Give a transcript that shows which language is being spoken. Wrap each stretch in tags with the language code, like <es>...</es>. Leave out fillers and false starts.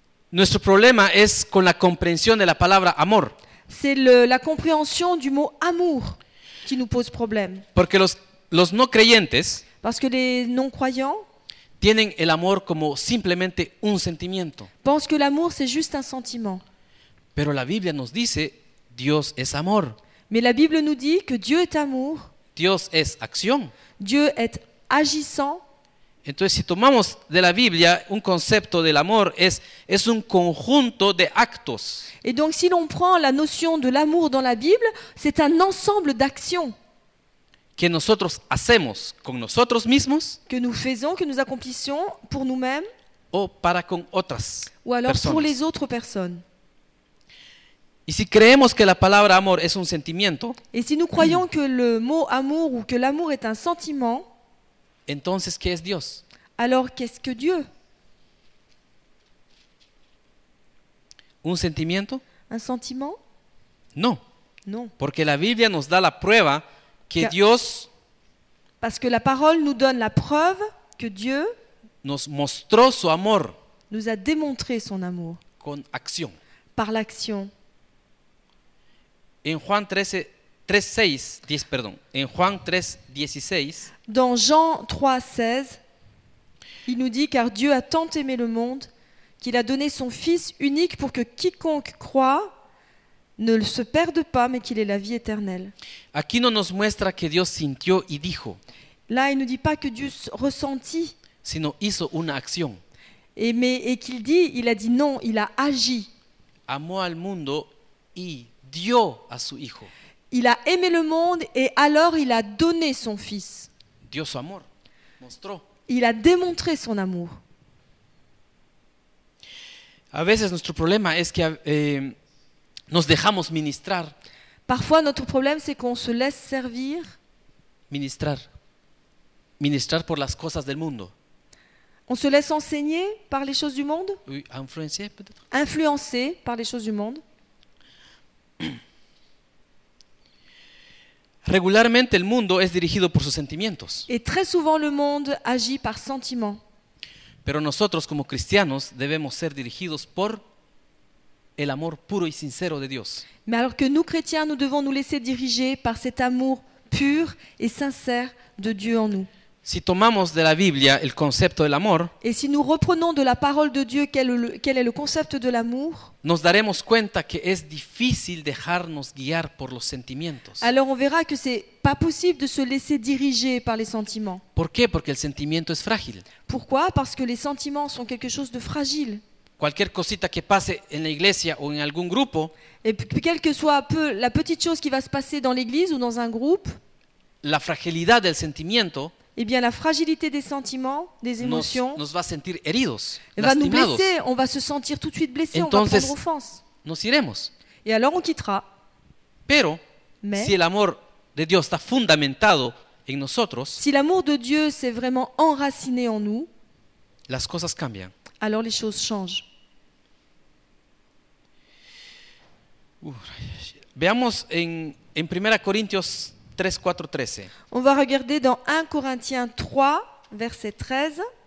<es>nuestro problema es con la comprensión de la palabra amor.</es> <fr>C'est la compréhension du mot amour qui nous pose problème.</fr> <es>Porque los no creyentes,</es> <fr>parce que les non croyants,</fr> <es>tienen el amor como simplemente un sentimiento.</es> <fr>Pensent que l'amour c'est juste un sentiment.</fr> <es>Pero la Biblia nos dice, Dios es amor.</es> <fr>Mais la Bible nous dit que Dieu est amour.</fr> <es>Dios es acción.</es> <fr>Dieu est agissant.</fr> <es>Entonces, si tomamos de la Biblia un concepto del amor, es un conjunto de actos.</es> <fr>Et donc, si l'on prend la notion de l'amour dans la Bible, c'est un ensemble d'actions.</fr> <es>Que nosotros hacemos con nosotros mismos.</es> <fr>Que nous faisons, que nous accomplissons pour nous-mêmes.</fr> <es>O para con otras personas.</es> <fr>Ou alors personas. Pour les autres personnes.</fr> <es>Y si creemos que la palabra amor es un sentimiento.</es> <fr>Et si nous croyons que le mot amour ou que l'amour est un sentiment.</fr> <es>Entonces, ¿qué es Dios?</es> <fr>Alors, qu'est-ce que Dieu?</fr> <es>¿Un sentimiento?</es> <fr>¿Un sentiment?</fr> <es>No.</es> <fr>No.</fr> <es>Porque la Biblia nos da la prueba que Dios.</es> <fr>Parce que la parole nous donne la preuve que Dieu</fr> <es>nos mostró su amor.</es> <fr>Nous a démontré son amour.</fr> <es>Con acción.</es> <fr>Par l'action.</fr> <es>En Juan 3:16.</es> <fr>Dans Jean 3:16, il nous dit car Dieu a tant aimé le monde qu'il a donné son fils unique pour que quiconque croit ne se perde pas mais qu'il ait la vie éternelle.</fr> <es>Aquí no nos muestra que Dios sintió y dijo.</es> <fr>Là, il nous dit pas que Dieu ressentit,</fr> <es>sino hizo una acción.</es> <fr>Et qu'il dit, il a dit non, il a agi.</fr> <es>Amó al mundo y dio a su hijo.</es> <fr>Il a aimé le monde et alors il a donné son fils.</fr> <es>Dio su amor. Mostró.</es> <fr>Il a démontré son amour.</fr> <es>A veces nuestro problema es que nos dejamos ministrar.</es> <fr>Parfois notre problème c'est qu'on se laisse servir.</fr> <es>Ministrar por las cosas del mundo.</es> <fr>On se laisse enseigner par les choses du monde. Oui, influencer peut-être. Influencer par les choses du monde.</fr> <es>Regularmente el mundo es dirigido por sus sentimientos.</es> <fr>Et très souvent le monde agit par sentiments.</fr> <es>Pero nosotros como cristianos debemos ser dirigidos por el amor puro y sincero de Dios.</es> <fr>Mais alors que nous chrétiens nous devons nous laisser diriger par cet amour pur et sincère de Dieu en nous.</fr> <es>Si tomamos de la Biblia el concepto del amor,</es> <fr>et si nous reprenons de la parole de Dieu quel est le concept de l'amour,</fr> <es>nos daremos cuenta que es difícil dejarnos guiar por los sentimientos.</es> <fr>Alors on verra que c'est pas possible de se laisser diriger par les sentiments.</fr> <es>¿Por qué? Porque el sentimiento es frágil.</es> <fr>Pourquoi? Parce que les sentiments sont quelque chose de fragile.</fr> <es>Cualquier cosita que pase en la iglesia o en algún grupo,</es> <fr>et quelle que soit peu la petite chose qui va se passer dans l'église ou dans un groupe,</fr> <es>la fragilidad del sentimiento,</es> <fr>eh bien, la fragilité des sentiments, des émotions,</fr> <es>nos va sentir heridos,</es> <fr>va nous blesser, on va se sentir tout de suite blessé,</fr> <es>entonces,</es> <fr>on va prendre offense.</fr> <es>Nos iremos.</es> <fr>Et alors on quittera.</fr> <es>Pero, mais si el amor de Dios está fundamentado en nosotros,</es> <fr>si l'amour de Dieu s'est vraiment enraciné en nous,</fr> <es>las cosas cambian.</es> <fr>Alors les choses changent.</fr> <es>Veamos en 1 Corintios 3, 4, 13.</es> <fr>On va regarder dans 1 Corinthiens 3, verset 13.</fr>